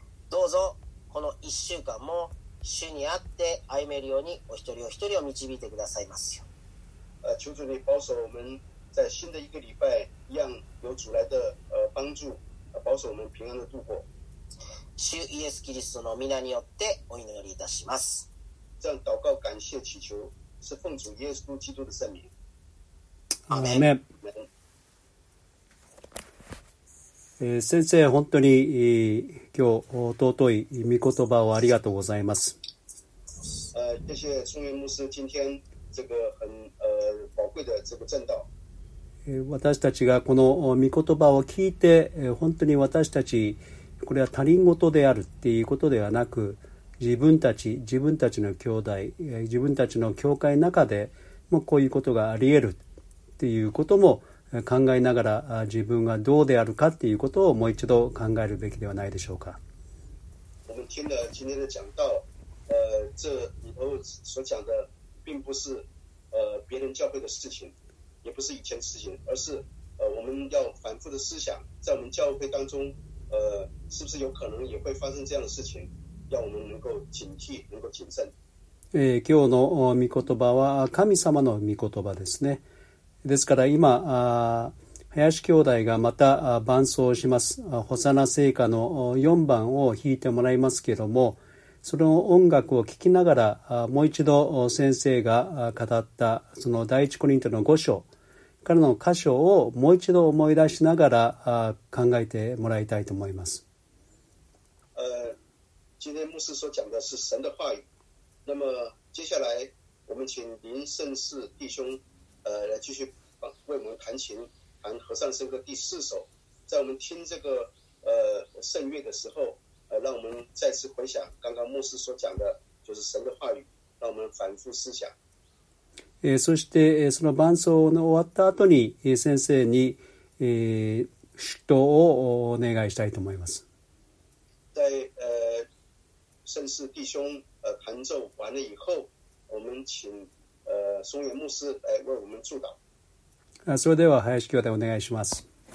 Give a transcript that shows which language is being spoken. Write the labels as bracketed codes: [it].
[ja] どうぞこの一週間も主にあって歩めるようにお一人お一人を導いてくださいますよ。 [zh] 求主你保守我们在新的一个礼拜一样有主来的帮助，保守我们平安的度过。 [ja] 主イエスキリストの名によってお祈りいたします。 [zh] 这样祷告感谢祈求是奉主耶稣基督的圣名。 [ja] アーメン。先生本当に今日尊い御言葉をありがとうございます。 [zh] 谢谢松原牧师今天这个很宝贵的这个正道。 [ja] 私たちがこの御言葉を聞いて本当に私たちこれは他人事であるっていうことではなく自分たちの兄弟自分たちの教会の中でもこういうことがあり得るっていうことも考えながら自分がどうであるかっていうことをもう一度考えるべきではないでしょうか。 [zh] 我们听了今天的讲道这里头所讲的并不是别人教会的事情也不是以前的事情而是我们要反复的思想在我们教会当中是不是有可能也会发生这样的事情要我们能够警惕能够谨慎。 [ja] 今日の御言葉は神様の御言葉ですね。ですから今林兄弟がまた伴奏します。ホサナ聖歌の4番を弾いてもらいますけれどもその音楽を聴きながらもう一度先生が語ったその第一コリントの5章からの箇所をもう一度思い出しながら考えてもらいたいと思います。 [zh] 今天牧师所讲的是神的话语那么接下来我们请林圣士弟兄来继续为我们弹琴弹和尚圣歌第四首在我们听这个圣乐的时候让我们再次回想刚刚牧师所讲的就是神的话语让我们反复思想。 [ja] そしてその伴奏の終わった後に先生に、祝祷をお願いしたいと思います。 [zh] 在圣士弟兄弹奏完了以后我们请松原牧师来为我们祝祷。 [ja] それでは林兄弟お願いします。